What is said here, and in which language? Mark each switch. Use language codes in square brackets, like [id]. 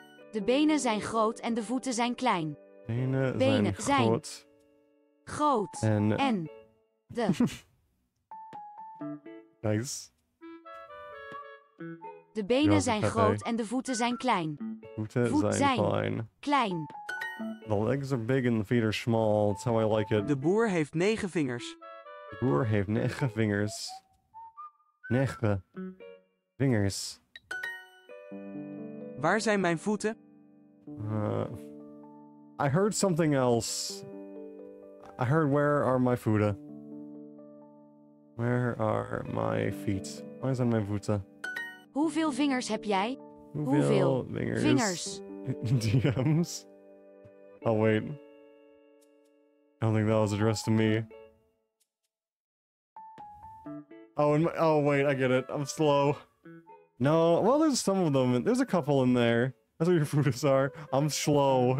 [nl] De benen zijn groot en de voeten zijn klein. Benen groot. Groot. En de. [en] Nice. [nl] De benen zijn groot en de voeten zijn klein. Voeten zijn klein. Klein. [en] The legs are big and the feet are small. That's how I like it. [nl] De boer heeft negen vingers. De boer heeft negen vingers. Negen vingers. Waar zijn mijn voeten? [en] I heard something else. I heard where are my voeten? Where are my feet? [nl] Waar zijn mijn voeten? Hoeveel vingers heb jij? Hoeveel vingers? DM's? [en] Oh wait. I don't think that was addressed to me. Oh, and my, oh wait, I get it. I'm slow. No, well, there's some of them. There's a couple in there. That's what your foodies are. I'm slow.